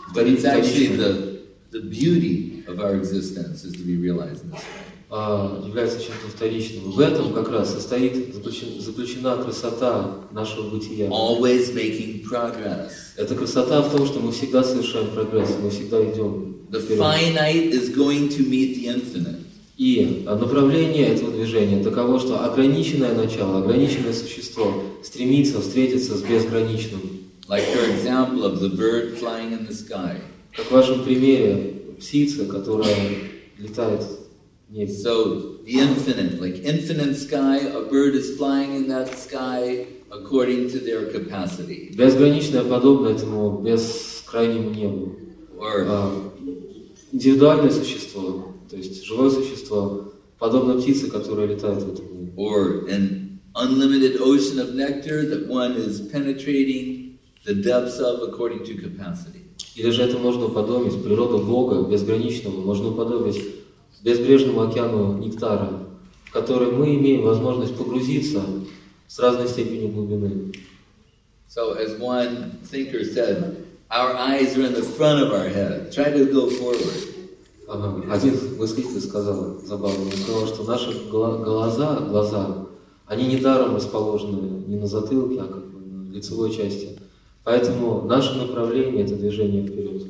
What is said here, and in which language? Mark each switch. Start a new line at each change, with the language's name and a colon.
English: But it's actually the beauty of our existence is to be realized in this way.
Russian: Является чем-то вторичным. В этом как раз состоит заключена красота нашего бытия.
English: Always making progress.
Russian: Это красота в том, что мы всегда совершаем прогресс, мы всегда идем.
English: The finite is going to meet the infinite.
Russian: И направление этого движения таково, что ограниченное начало, ограниченное существо стремится встретиться с безграничным.
English: Like your example of the bird flying in the sky.
Russian: Как в вашем примере, птица, которая летает в небе.
English: So, the infinite, like infinite sky, a bird is flying in that sky according to their capacity.
Russian: Безграничное подобно этому бескрайнему небу.
English: Or,
Russian: индивидуальное существо, то есть живое существо, подобно птице, которая летает в этом небе.
English: Or, an unlimited ocean of nectar that one is penetrating the depths of according to capacity.
Russian: Или же это можно уподобить природу Бога, безграничного, можно уподобить безбрежному океану нектара, в который мы имеем возможность погрузиться с разной степенью глубины.
English: So, as one thinker said, our eyes are in the front of our head. Try to go forward.
Russian: Один мыслитель сказал, забавно, он сказал, что наши глаза, они недаром расположены не на затылке, а как бы на лицевой части. Поэтому наше направление — это движение вперед.